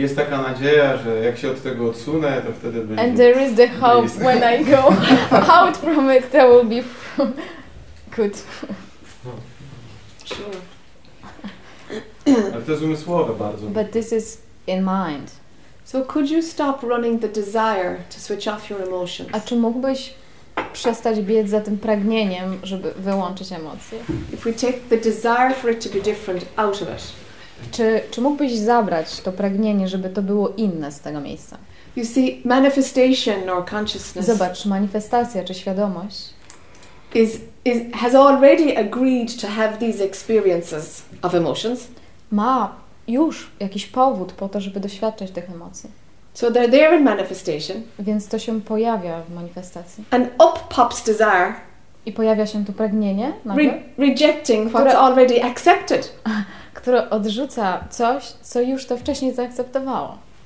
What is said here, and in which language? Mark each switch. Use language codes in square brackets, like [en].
[pl] Jest taka nadzieja, że jak się od tego odsunę, to wtedy będzie... [en] And there is the hope when I go out from it, there will be good. Sure. [pl] Ale to jest umysłowe bardzo. [en] But this is in mind. So could you stop running the desire to switch off your emotions? [pl] A czy mógłbyś przestać biec za tym pragnieniem, żeby wyłączyć emocje? [en] If we take the desire for it to be different out of it. [pl] Czy mógłbyś zabrać to pragnienie, żeby to było inne z tego miejsca? [en] You see, manifestation or consciousness. [pl] Zobacz, manifestacja czy świadomość [en] has already agreed to have these experiences of emotions. [pl] Ma już jakiś powód po to, żeby doświadczać tych emocji. [en] So they're there in manifestation. [pl] Więc to się pojawia w manifestacji. [en] And up pops desire. [pl] I pojawia się to pragnienie, nagle, [en] rejecting what's already accepted. [pl] Które odrzuca coś, co już to wcześniej zaakceptowało.